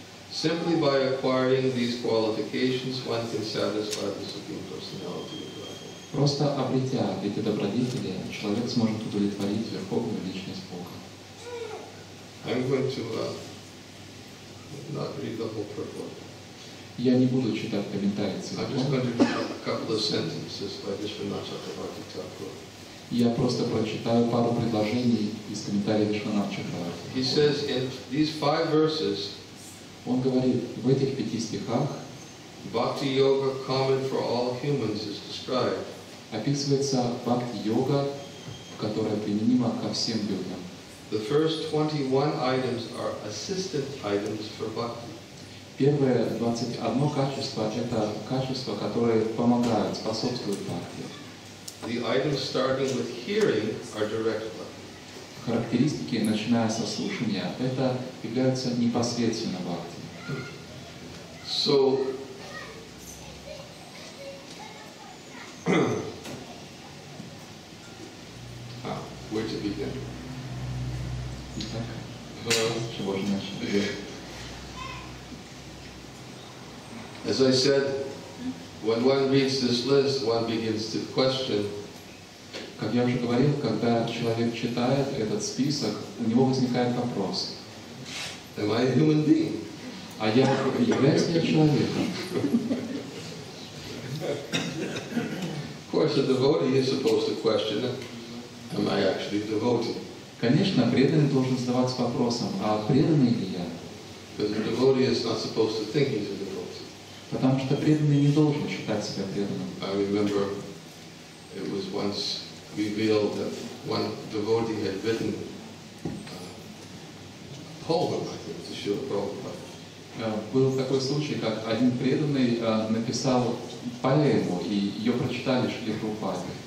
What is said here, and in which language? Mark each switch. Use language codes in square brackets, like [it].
[en] Simply by acquiring these qualifications, one can satisfy the Supreme Personality of God. [ru] Просто обретя эти добродетели, человек сможет удовлетворить Верховную Личность Бога. [en] I'm going to not read the whole purport. [ru] Я не буду читать комментарии целиком. [en] I'm just going to read a couple of sentences by Vishwanath Chakravarti Thakur. [ru] Я просто прочитаю пару предложений из комментариев Вишванатха Чакраварти. [en] He says in these five verses. [ru] Он говорит в этих пяти стихах. [en] Bhakti yoga common for all humans is described. [ru] Описывается бхакти йога, которая применима ко всем людям. [en] The first 21 items are assistant items for bhakti. [ru] Первое 21 качество это качества, которые помогают, способствуют бхакти. [en] The items starting with hearing are direct bhakti. [ru] Характеристики, начиная со слушания, это являются непосредственно бхакти. [en] So, where to begin? [ru] Итак, чего же начать? [en] As I said, when one reads this list, one begins to question. [ru] Как я уже говорил, когда человек читает этот список, у него возникает вопрос. [en] Am I a human being? [ru] А я являюсь ли человеком? [en] Of course, a devotee is supposed to question, am I actually a devotee? [ru] Конечно, преданный должен задаваться вопросом, а преданный ли я? [en] Because a devotee is not supposed to think he's a devotee. [ru] Потому что преданный не должен считать себя преданным. [en] I remember it was once revealed that one devotee had written a poem, I think, to Srila Prabhupada. [ru] Был такой случай, как один преданный написал поэму, и ее прочитали Шри Прабхупаде.